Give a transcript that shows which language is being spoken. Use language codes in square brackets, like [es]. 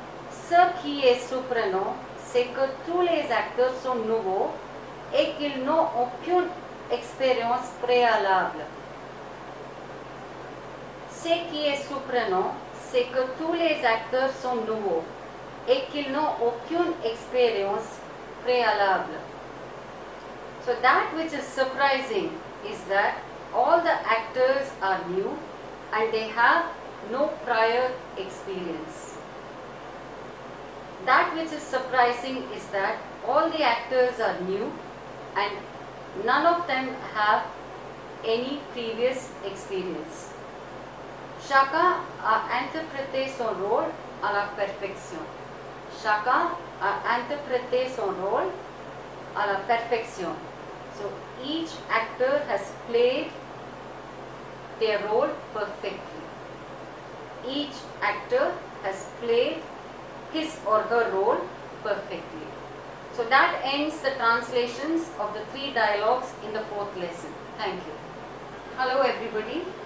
[fr] Ce qui est surprenant, c'est que tous les acteurs sont nouveaux et qu'ils n'ont aucune expérience préalable. Ce qui est surprenant, c'est que tous les acteurs sont nouveaux et qu'ils n'ont aucune expérience préalable. [en] So that which is surprising is that all the actors are new and they have no prior experience. That which is surprising is that all the actors are new and none of them have any previous experience. [fr] Chacun a interprété son rôle à la perfection. Chacun a interprété son rôle à la perfection. [en] So each actor has played their role perfectly. Each actor has played his or her role perfectly. So that ends the translations of the three dialogues in the fourth lesson. Thank you. Hello everybody.